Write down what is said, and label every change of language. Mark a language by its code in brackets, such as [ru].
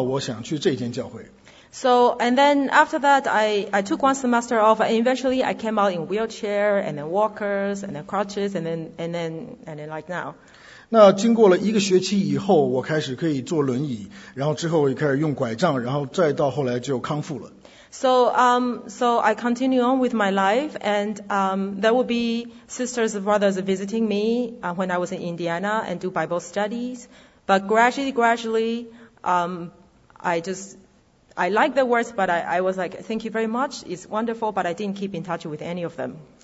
[zh] 那因为我非常，我受到了很大的感动和鼓舞，所以我就想，如果有一天我如果要去找一个教会的话，我想去这间教会。 [en] So and then after that, I took one semester off, and eventually I came out in wheelchair and then walkers and then crutches and then like now. [zh] 那经过了一个学期以后，我开始可以坐轮椅，然后之后也开始用拐杖，然后再到后来就康复了。 [en] So I continue on with my life, and there will be sisters and brothers visiting me when I was in Indiana and do Bible studies. But gradually, I like the words, but I was like, thank you very much, it's wonderful, but I didn't keep in touch with any of them.